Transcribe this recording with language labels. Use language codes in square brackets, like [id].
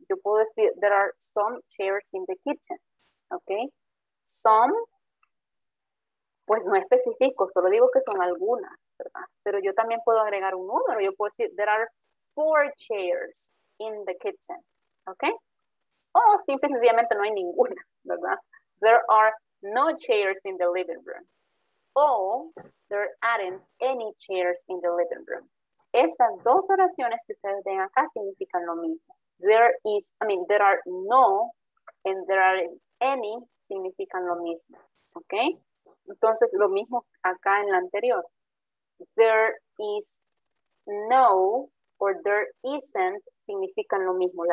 [es] Yo puedo decir, [en] there are some chairs in the kitchen. ¿Ok? [es] Some, pues no especifico, solo digo que son algunas, ¿verdad? Pero yo también puedo agregar un número. Yo puedo decir, [en] there are 4 chairs in the kitchen. [es] ¿Ok? O simple y sencillamente no hay ninguna, ¿verdad? [en] There are no chairs in the living room. O there aren't any chairs in the living room. [es] Estas dos oraciones que ustedes ven acá significan lo mismo. [en] There are no and there aren't any [es] significan lo mismo. [en] ¿Ok? [es] Entonces, lo mismo acá en la anterior. [en] There is no or there isn't [es] significan lo mismo.